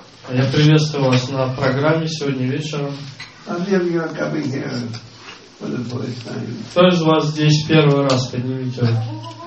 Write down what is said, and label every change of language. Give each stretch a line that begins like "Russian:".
Russian: Я приветствую вас на программе сегодня вечером.
English: I'm here coming here for the first time.
Russian: Кто из вас здесь первый раз, поднимите руку.